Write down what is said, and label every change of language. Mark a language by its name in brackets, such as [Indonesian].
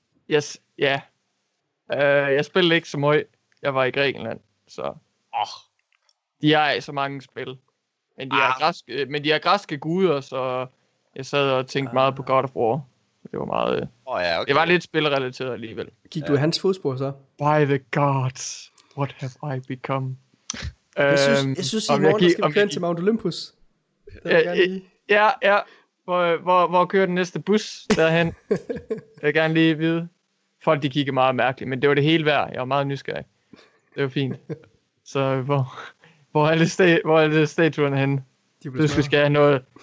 [English] Yes, [Danish] ja. Jeg spillede ikke så meget. Jeg var i Grækenland, så... Oh. De har ikke så mange spil. Men de, er græske guder, så jeg sad og tænkte meget på God of War. Det var meget... Oh ja, okay. Det var lidt spilrelateret alligevel. Gik du i hans fodspor så? [English] By the gods, what have I become? [Danish] Jeg synes, I morgen skal plan til Mount Olympus. Ja. Hvor kører den næste bus derhen? Jeg vil gerne lige vide. Folk, de kiggede meget mærkeligt, men det var det hele værd. Jeg var meget nysgerrig. Det var fint. Så hvor er det statuerne henne? Vi skal have noget.